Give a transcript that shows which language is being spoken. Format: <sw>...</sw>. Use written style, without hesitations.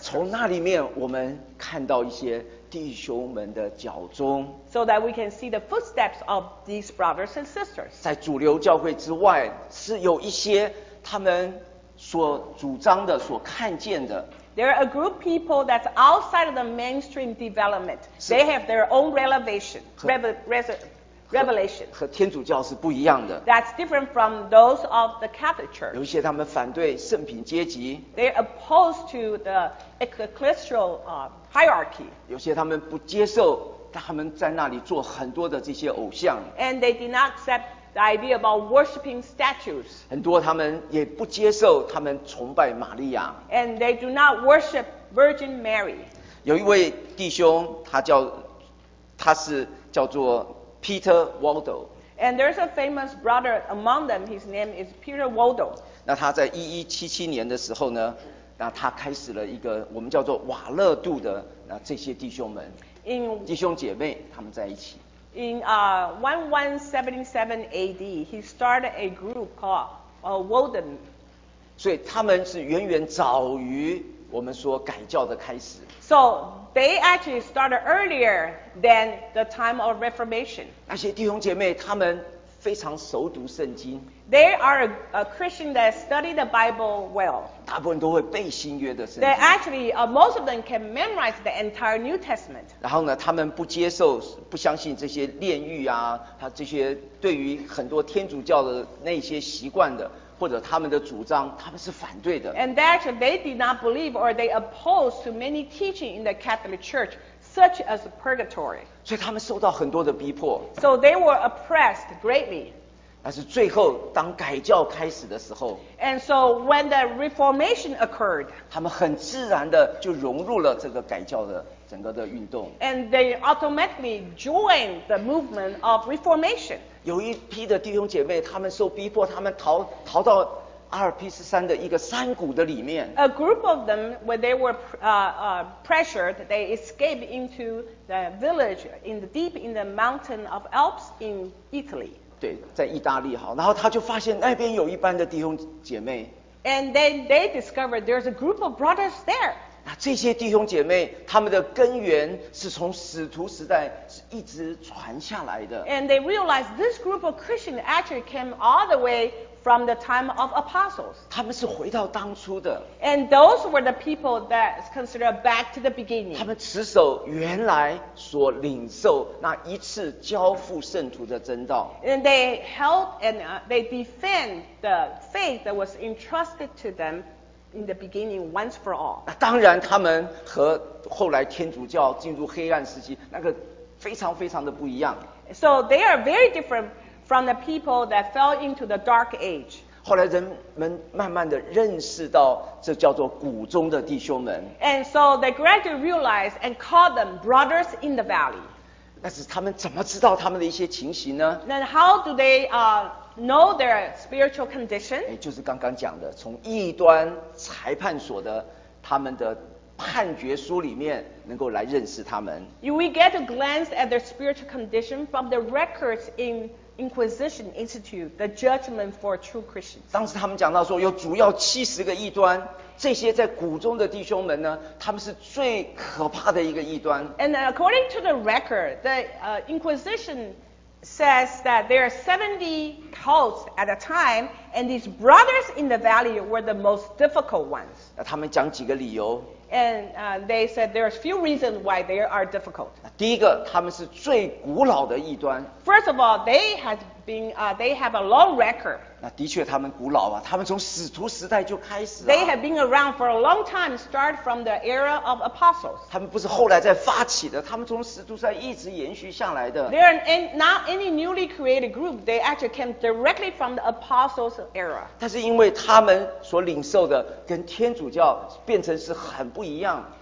<zh>从那里面，我们看到一些弟兄们的脚踪。</zh> <en>So that we can see the footsteps of these brothers and sisters.</en> <zh>在主流教会之外，是有一些他们所主张的、所看见的。</zh> <en>There are a group of people that's outside of the mainstream development. They have their own revelation.</en> <zh>和天主教是不一样的。</zh> <en>That's different from those of the Catholic Church.</en> <zh>有一些他们反对圣品阶级。</zh> <en>They're opposed to the ecclesial hierarchy.</en> <zh>有些他们不接受他们在那里做很多的这些偶像。</zh> <en>And they did not accept the idea about worshiping statues.</en> <zh>很多他们也不接受他们崇拜玛利亚。</zh> <en>And they do not worship Virgin Mary.</en> <zh>有一位弟兄，他是叫做 Peter Waldo.</zh> <en>And there's a famous brother among them. His name is Peter Waldo.</en> <zh>那他在1177年的时候呢，那他开始了一个我们叫做瓦勒度的那这些弟兄们，</zh> <en>In,</en> <zh>弟兄姐妹他们在一起。</zh> <en>In 1177 AD, he started a group called Walden.</en> <zh>所以他们是远远早于我们说改教的开始。</zh> <en>So they actually started earlier than the time of Reformation.</en> <zh>那些弟兄姐妹他们非常熟读圣经。</zh> <en>They are a Christian that study the Bible well.</en> <zh>大部分都会背新约的圣经。</zh> <en>They actually, most of them can memorize the entire New Testament.</en> <zh>然后呢，他们不接受、不相信这些炼狱啊，他这些对于很多天主教的那些习惯的，或者他们的主张，他们是反对的。</zh> <en>And actually, they did not believe or they opposed to many teaching in the Catholic Church, such as purgatory.</en> <zh>所以他们受到很多的逼迫。</zh> <en>So they were oppressed greatly.</en> <zh>但是最后，当改教开始的时候</zh> <en>，And so when the Reformation occurred,</en> <zh>他们很自然的就融入了这个改教的整个的运动。</zh> <en>And they automatically joined the movement of Reformation.</en> <zh>有一批的弟兄姐妹，他们受逼迫，他们逃到阿尔卑斯山的一个山谷的里面。</zh> <en>A group of them, when they were pressured, they escaped into the village in the deep in the mountain of Alps in Italy.</en> <zh>对，在意大利哈，然后他就发现那边有一班的弟兄姐妹。</zh> <en>And then they discovered there's a group of brothers there.</en> <zh>那这些弟兄姐妹，他们的根源是从使徒时代是一直传下来的。</zh> <en>And they realized this group of Christians actually came all the way from the time of apostles.</en> <zh>他们是回到当初的。</zh> <en>And those were the people that considered back to the beginning.</en> <zh>他们持守原来所领受那一次交付圣徒的真道。</zh> <en>And they held and they defend the faith that was entrusted to them in the beginning once for all.</en> <zh>那当然，他们和后来天主教进入黑暗时期那个非常非常的不一样。</zh> <en>So they are very different from the people that fell into the dark age.</en> <zh>后来人们慢慢的认识到这叫做谷中的弟兄们。</zh> <en>And so they gradually realized and called them brothers in the valley.</en> <zh>但是他们怎么知道他们的一些情形呢？</zh> <en>Then how do they know their spiritual condition?</en> <zh>就是刚刚讲的，从异端裁判所的他们的判决书里面能够来认识他们。</zh> <en>We get a glance at their spiritual condition from the records in Inquisition Institute, the judgment for true Christians.</en> <zh>当时他们讲到说，有主要七十个异端，这些在谷中的弟兄们呢，他们是最可怕的一个异端。</zh> <en>And according to the record, the Inquisition says that there are 70 cults at a time, and these brothers in the valley were the most difficult ones.</en> <zh>那他们讲几个理由。</zh> <en>And they said there are a few reasons why they are difficult.</en> <zh>第一个，他们是最古老的异端。</zh> <en>First of all, they have been, they have a long record.</en> <zh>那的确，他们古老啊，他们从使徒时代就开始。</zh> <en>They have been around for a long time, start from the era of apostles.</en> <zh>他们不是后来在发起的，他们从使徒时代一直延续下来的。</zh> <en>They are not any newly created group. They actually came directly from the apostles' era.</en> <zh>但是因为他们所领受的跟天主教变成是很不一样。</zh>